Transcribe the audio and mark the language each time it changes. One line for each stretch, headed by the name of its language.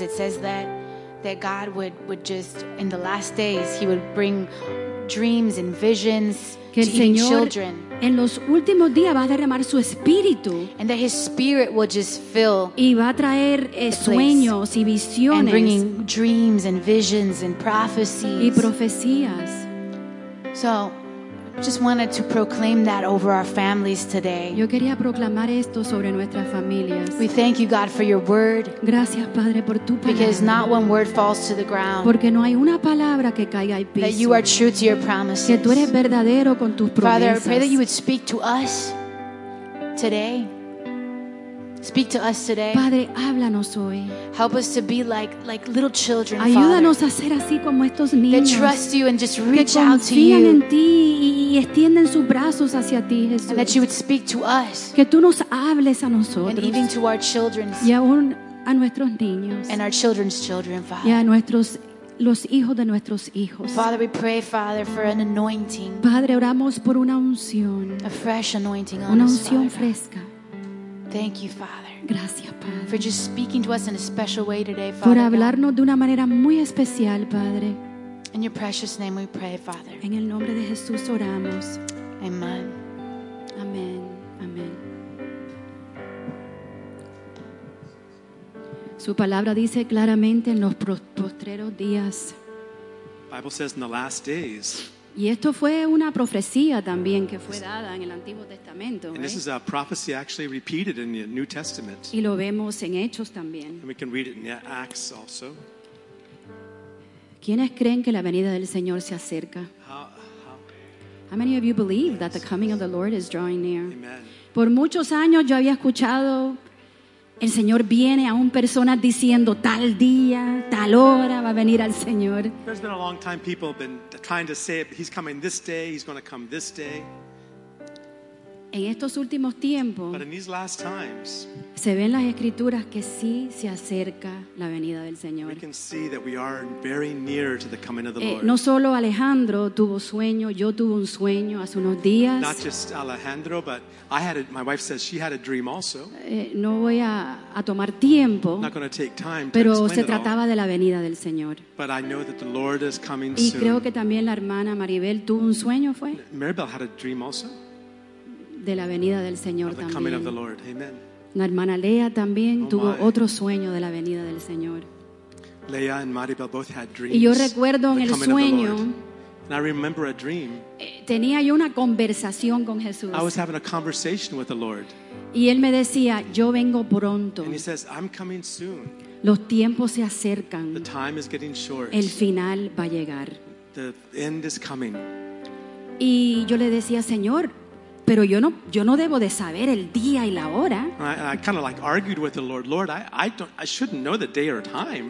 English: It says that God would just, in the last days, he would bring dreams and visions
Spanish: que el
English: to
Spanish: Señor
English: children.
Spanish: En los últimos días va a derramar su espíritu.
English: And that his spirit will just fill
Spanish: y va a traer sueños y visiones.
English: And bringing dreams and visions and prophecies.
Spanish: Y profecías.
English: So, just wanted to proclaim that over our families today.
Spanish: Yo quería proclamar esto sobre nuestras familias.
English: We thank you, God, for your word.
Spanish: Gracias, Padre, por tu palabra.
English: Because not one word falls to the ground.
Spanish: Porque no hay una palabra que caiga al piso.
English: That you are true to your promises.
Spanish: Que tú eres verdadero con tus promesas.
English: Father, I pray that you would speak to us today. Speak to us today.
Spanish: Padre, háblanos hoy.
English: Help us to be like little children.
Spanish: Ayúdanos
English: Father,
Spanish: a ser así como estos niños.
English: That trust you and just reach out to you.
Spanish: Que confían en ti y extienden sus brazos hacia ti, Jesús.
English: And that you would speak to us.
Spanish: Que tú nos hables a nosotros.
English: And even to our children.
Spanish: Y aún a nuestros niños.
English: And our children's children, Father.
Spanish: Y a nuestros los hijos de nuestros hijos.
English: Father, we pray, Father, for an anointing.
Spanish: Padre, oramos por una unción.
English: A fresh anointing on
Spanish: una
English: us,
Spanish: unción
English: Father.
Spanish: Fresca.
English: Thank you, Father.
Spanish: Gracias, Padre.
English: For just speaking to us in a special way today, Father.
Spanish: Por hablarnos de una manera muy especial, Padre.
English: In your precious name we pray, Father.
Spanish: En el nombre de Jesús oramos. Amen. Amen. Amen. Su palabra dice claramente en los postreros días.
English: Bible says in the last days.
Spanish: Y esto fue una profecía también que fue dada en el Antiguo Testamento.
English: And this is a prophecy actually repeated in the New Testament.
Spanish: Y lo vemos en Hechos también.
English: And we can read it in Acts also.
Spanish: ¿Quiénes creen que la venida del Señor se acerca?
English: How many of you believe that the coming of the Lord is drawing near? Amen.
Spanish: Por muchos años yo había escuchado el Señor viene a un persona diciendo tal día, tal hora va a venir al Señor.
English: There's been a long time people have been trying to say it, he's coming this day, he's going to come this day.
Spanish: En estos últimos tiempos,
English: but in these last times,
Spanish: se ven las escrituras que sí se acerca la venida del Señor.
English: We can see that we are very near to the coming of the Lord.
Spanish: No solo Alejandro tuvo sueño, yo tuve un sueño hace unos días.
English: Not just Alejandro, but I had my wife says she had a dream also.
Spanish: No voy a tomar tiempo.
English: Not going to take time.
Spanish: Pero se trataba de la venida del Señor.
English: But I know that the Lord is coming soon.
Spanish: Y creo que también la hermana Maribel tuvo un sueño, ¿fue?
English: Maribel had a dream also.
Spanish: De la venida del Señor
English: of the
Spanish: también.
English: Coming of the Lord. Amen.
Spanish: La hermana Lea también tuvo otro sueño de la venida del Señor.
English: Lea and Maribel both had dreams.
Spanish: Y yo recuerdo en el sueño.
English: And I remember a dream.
Spanish: Tenía yo una conversación con Jesús.
English: I was having a conversation with the Lord.
Spanish: Y él me decía, yo vengo pronto.
English: And he says, I'm coming soon.
Spanish: Los tiempos se acercan.
English: The time is getting short.
Spanish: El final va a llegar.
English: The end is coming.
Spanish: Y yo le decía, Señor, pero yo no debo de saber el día y la hora.
English: I kind of like argued with the Lord. Lord, I shouldn't know the day or time.